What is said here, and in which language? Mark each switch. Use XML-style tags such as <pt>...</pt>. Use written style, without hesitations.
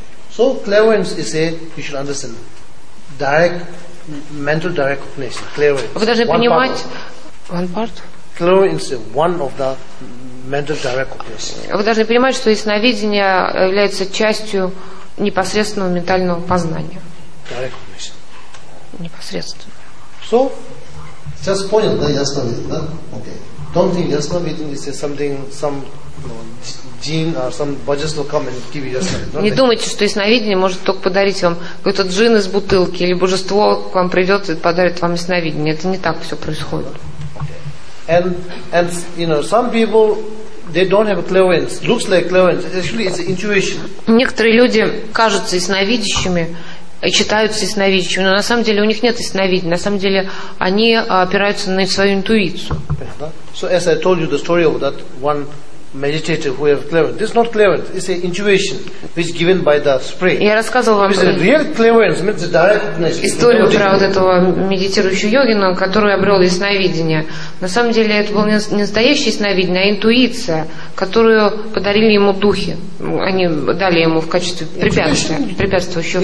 <en>So clairvoyance is a, you should understand, direct mental direct cognition. Clairvoyance.</en> <ru>Вы должны понимать</ru> <en>one part. Clairvoyance is one of the mental direct cognition.</en> <ru>Вы должны понимать, что ясновидение является частью непосредственного ментального познания.</ru> <en>Direct cognition.</en> <ru>Непосредственно.</ru> <en>So, just</en> <ru>понял, да, ясно видно, да?</ru> <en>Okay. Don't think</en> <ru>ясно видно</ru> <en>is something, some, you know, джин or some bodies will come and give you ясно видно.</en> <ru>Не думайте, что ясновидение может только подарить вам какой-то джин из бутылки, или божество к вам придет и подарит вам ясновидение. Это не так все происходит.</ru> <en>Okay. And you know, some people, they don't have a clairvoyance. Looks like clairvoyance. Actually, it's intuition.</en> <ru>Некоторые люди кажутся ясновидящими, и читаются ясновидящими, но на самом деле у них нет ясновидения, на самом деле они опираются на свою интуицию.</ru> <en>So as I told you the story of that one meditator who have clairvoyance, this is not clairvoyance, it's an intuition which is given by the spirit.</en> <ru>Я рассказывал вам историю про вот этого медитирующего йогина, который обрел ясновидение. На самом деле это было не настоящее ясновидение, а интуиция, которую подарили ему духи. Они дали ему в качестве препятствующего</ru>